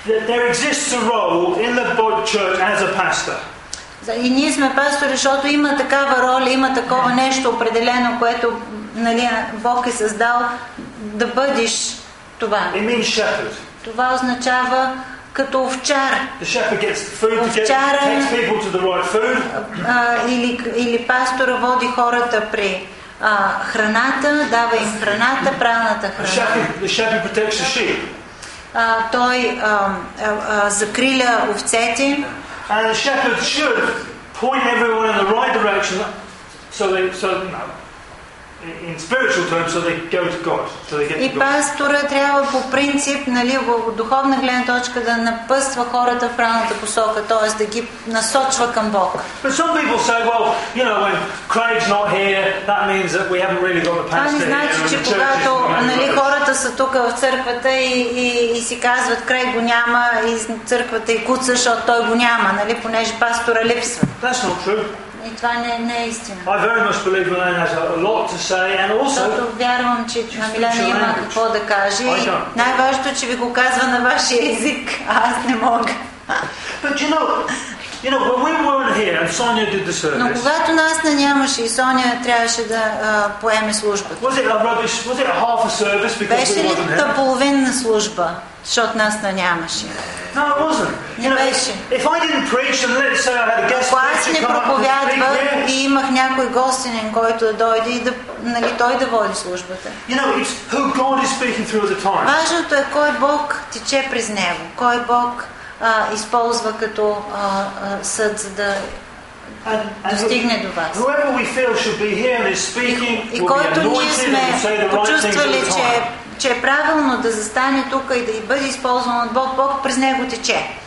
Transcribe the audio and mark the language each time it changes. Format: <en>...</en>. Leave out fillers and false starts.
<en>There exists a role in the church as a pastor.</en> <bg>И ние сме пастори, защото има такава роля, има такова нещо определено, което, нали, Бог е създал да бъдеш това.</bg> <en>It means shepherd.</en> <bg>Това означава като овчар.</bg> <en>The shepherd gets food together, takes people to the right food.</en> <bg>Или пастора води хората при храната, дава им храната, правилната храна.</bg> <en>The shepherd protects the sheep.</en> <bg>Той закриля овцете.</bg> <en>And the shepherd should point everyone in the right direction in spiritual terms so they go to God. So they get</en> <bg>и пастора трябва по принцип, нали, в духовна гледна точка да напъства хората в правилната посока, т.е. да ги насочва към Бог.</bg> <en>But some people say, well, you know, when Craig's not here, that means that we haven't really got a pastor.</en> <bg>Това не значи, че когато, нали, хората са тук в църквата и си казват Крейг го няма и църквата и куца, защото той го няма, нали, понеже пастора липсва.</bg> <en>That's not true.</en> <bg>И това не е истина.</bg> <en>I very much believe Milan has a lot to say and also.</en> <bg>Вярвам, че Милен има какво да каже. Най-важното, че ви го казва на вашия език, а аз не мога.</bg> <en>But you know, when we weren't here and Sonia did the service.</en> <bg>Но когато нас не нямаше и Соня трябваше да поеме службата.</bg> <en>Was it a rubbish? Was it a half a service because</en> <bg>беше ли та половинна служба? Защото нас не нямаше.</bg> <en>No, it wasn't.</en> <bg>Не беше.</bg> <en>If I didn't preach and let's say I had a guest preacher.</en> <bg>Ако аз не проповядвах и имах някой гостенин, който да дойде и да, нали, той да води службата.</bg> <en>You know, it's who God is speaking through the time.</en> <bg>Важното е кой Бог тече през него. Кой Бог използва като съд, за да достигне до вас.</bg> <en>Whoever we feel should be here and is speaking,</en> <bg>и който ние сме почувствали, че е правилно да застане тук и да бъде използван от Бог, Бог през него тече.</bg>